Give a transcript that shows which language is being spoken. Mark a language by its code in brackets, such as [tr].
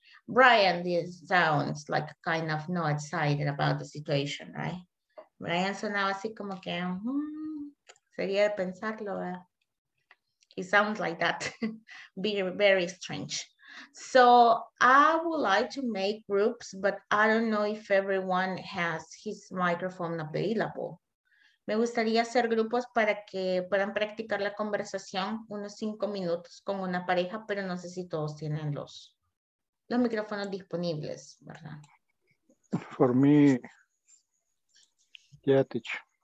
[en] Brian, this sounds like kind of not excited about the situation, right? [es] Brian sonaba así como que, sería de pensarlo, ¿verdad? [en] He sounds like that, very strange. So I would like to make groups, but I don't know if everyone has his microphone available. [es] Me gustaría hacer grupos para que puedan practicar la conversación unos 5 minutos con una pareja, pero no sé si todos tienen los... los micrófonos disponibles, ¿verdad? [en] For me, yeah, teacher.